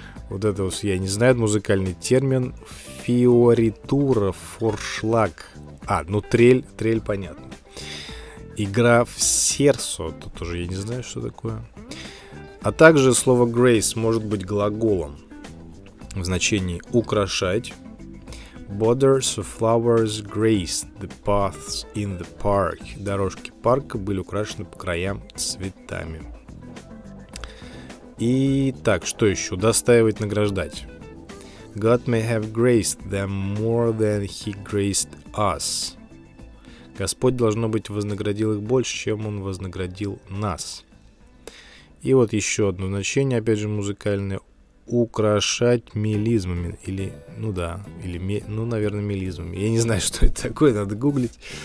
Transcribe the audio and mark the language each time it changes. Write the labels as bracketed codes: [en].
[ru] Вот это вот, я не знаю, музыкальный термин, фиоритура, форшлаг. Трель понятно. Игра в серсо, тут уже я не знаю, что такое. А также слово grace может быть глаголом в значении украшать. [en] Borders of flowers grace the paths in the park. [ru] Дорожки парка были украшены по краям цветами. И так, что еще? Достаивать, награждать. [en] God may have graced them more than he graced us. [ru] Господь, должно быть, вознаградил их больше, чем Он вознаградил нас. И вот еще одно значение, опять же, музыкальное. Украшать мелизмами. Или, ну да, или, ну, наверное, мелизмами. Я не знаю, что это такое, надо гуглить.